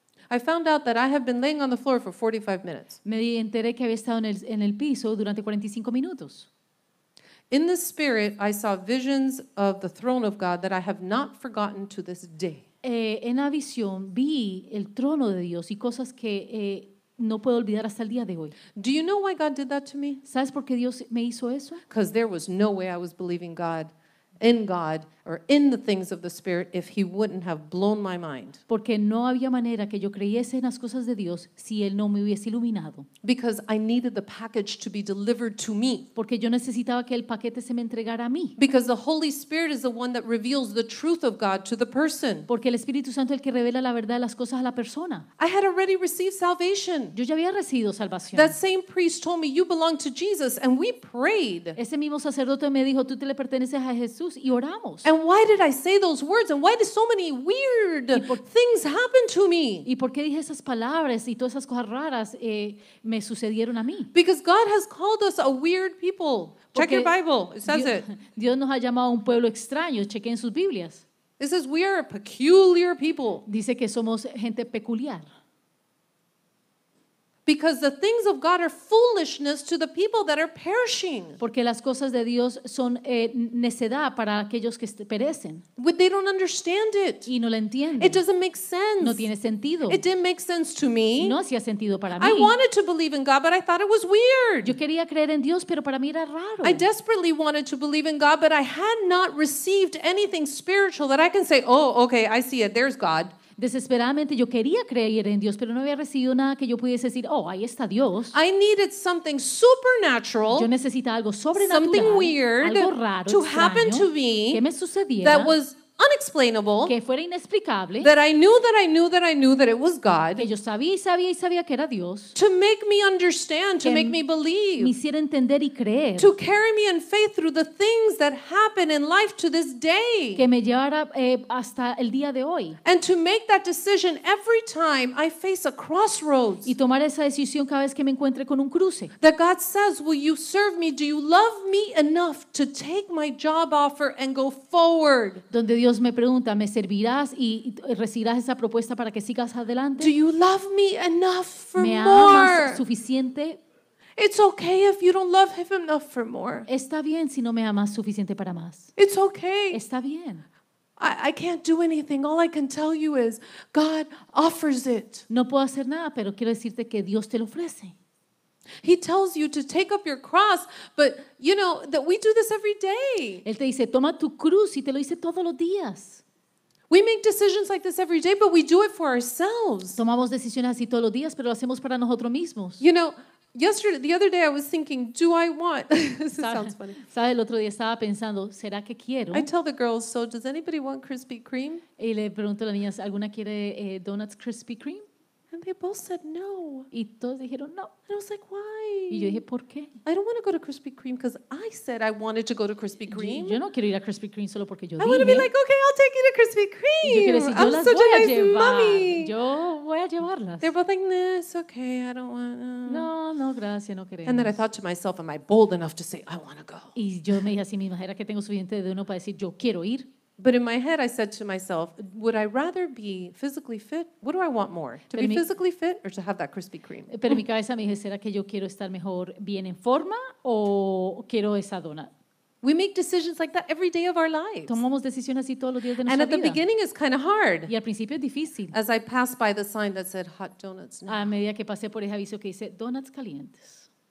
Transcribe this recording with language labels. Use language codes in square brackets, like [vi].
[en] I found out that I have been laying on the floor for 45 minutes. [es] Me enteré que había estado en el piso durante 45 minutos. [en] In the spirit, I saw visions of the throne of God that I have not forgotten to this day. [es] En la visión vi el trono de Dios y cosas que no puedo olvidar hasta el día de hoy. [en] Do you know why God did that to me? [es] ¿Sabes por qué Dios me hizo eso? [en] Because there was no way I was believing God. In God or in the things of the Spirit, if He wouldn't have blown my mind. [es] Porque no había manera que yo creyese en las cosas de Dios si Él no me hubiese iluminado. [en] Because I needed the package to be delivered to me. [es] Porque yo necesitaba que el paquete se me entregara a mí. [en] Because the Holy Spirit is the one that reveals the truth of God to the person. [es] Porque el Espíritu Santo es el que revela la verdad de las cosas a la persona. [en] I had already received salvation. [es] Yo ya había recibido salvación. [en] That same priest told me, "You belong to Jesus," and we prayed. [es] Ese mismo sacerdote me dijo, "Tú te le perteneces a Jesús." Y oramos. [en] And why did I say those words? And why did so many weird things happen to me? [es] ¿Y por qué dije esas palabras y todas esas cosas raras me sucedieron a mí? [en] Because God has called us a weird people. Check your Bible. It says it. [es] Dios nos ha llamado a un pueblo extraño. Chequen sus Biblias. [en] It says we are a peculiar people. [es] Dice que somos gente peculiar. [en] Because the things of God are foolishness to the people that are perishing. [es] Porque las cosas de Dios son necedad para aquellos que perecen. [en] But they don't understand it. [es] Y no lo entienden. [en] It doesn't make sense. [es] No tiene sentido. [en] It didn't make sense to me. [es] No hacía sentido para mí. [en] I wanted to believe in God, but I thought it was weird. [es] Yo quería creer en Dios, pero para mí era raro. [en] I desperately wanted to believe in God, but I had not received anything spiritual that I can say, oh, okay, I see it, there's God. [es] Desesperadamente yo quería creer en Dios, pero no había recibido nada que yo pudiese decir, oh, ahí está Dios. [en] I needed something supernatural. [es] Yo necesitaba algo sobrenatural. [en] Something weird, [es] algo raro, [en] to happen to me. [es] Que me sucediera. [en] That was unexplainable. [es] Que fuera inexplicable. [en] That I knew that I knew that I knew that it was God. [es] Que yo sabía y sabía y sabía que era Dios. [en] To make me understand, to make me believe. [es] Me hiciera entender y creer. [en] To carry me in faith through the things that happen in life to this day. [es] Que me llevara hasta el día de hoy. [en] And to make that decision every time I face a crossroads. [es] Y tomar esa decisión cada vez que me encuentre con un cruce. [en] That God says, "Will you serve me? Do you love me enough to take my job offer and go forward?" [es] Donde Dios me pregunta, ¿me servirás y recibirás esa propuesta para que sigas adelante? [en] Do you love me enough for more? [es] ¿Me amas suficiente? [en] It's okay if you don't love him enough for more. [es] Está bien si no me amas suficiente para más. [en] It's okay. [es] Está bien. [en] I can't do anything. All I can tell you is God offers it. [es] No puedo hacer nada, pero quiero decirte que Dios te lo ofrece. [en] He tells you to take up your cross, but you know that we do this every day. [es] Él te dice, toma tu cruz, y te lo dice todos los días. [en] We make decisions like this every day, but we do it for ourselves. [es] Tomamos decisiones así todos los días, pero lo hacemos para nosotros mismos. [en] You know, yesterday, the other day, I was thinking, do I want? This sounds funny. [es] ¿Sabe? El otro día estaba pensando, ¿será que quiero? [en] I tell the girls, so does anybody want Krispy Kreme? [es] Y le pregunto a las niñas, ¿alguna quiere donuts Krispy Kreme? [en] And they both said no. [es] Y todos dijeron no. [en] And I was like, why? [es] Y yo dije, ¿por qué? [en] I don't want to go to Krispy Kreme because I said I wanted to go to Krispy Kreme. [es] Yo no quiero ir a Krispy Kreme solo porque yo [en] I [es] dije. [en] I want to be like, okay, I'll take you to Krispy Kreme. [es] Y yo quiero decir, yo [en] I'm [es] las [en] such [es] voy a [en] nice [es] llevar. Mommy. Yo voy a llevarlas. [en] They're both like, nah, it's okay, I don't want to. [es] No, no, gracias, no queremos. [en] And then I thought to myself, am I bold enough to say, I want to go? [es] Y yo me dije así misma, ¿era que tengo suficiente de uno para decir, yo quiero ir? [en] But in my head, I said to myself, would I rather be physically fit? What do I want more? To be physically fit or to have that Krispy Kreme? [es] Pero mi cabeza me dice, ¿será que yo quiero estar mejor bien en forma o quiero esa dona? [en] We make decisions like that every day of our lives. [es] Tomamos decisiones así todos los días de nuestra [en] vida. And at the [es] vida. [en] Beginning it's kind of hard. [es] Y al principio es difícil. [en] As I passed by the sign that said hot donuts. Now. [es] A medida que pasé por ese aviso que dice donuts calientes.